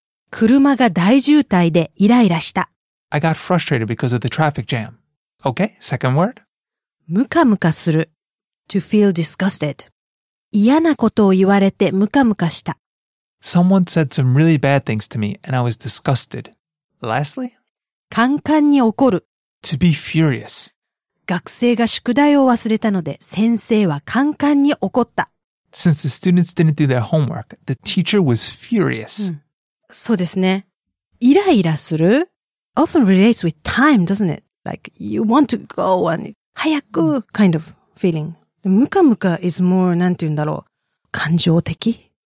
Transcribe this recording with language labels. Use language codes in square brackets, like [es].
[ja] 車が大渋滞でイライラした. [en] I got frustrated because of the traffic jam. Okay, second word. ムカムカする.To feel disgusted. [ja] 嫌なことを言われてムカムカした. [en] Someone said some really bad things to me, and I was disgusted. Lastly, [ja] カンカンに怒る [en] To be furious. [ja] 学生が宿題を忘れたので先生はカンカンに怒った [en] Since the students didn't do their homework, the teacher was furious. [ja] そうですね。 [en] イライラする often relates with time, doesn't it? Like, you want to go and [ja] 早く [en] kind of feeling. [ja] ムカムカ [en] is more, [ja] なんて言うんだろう。感情的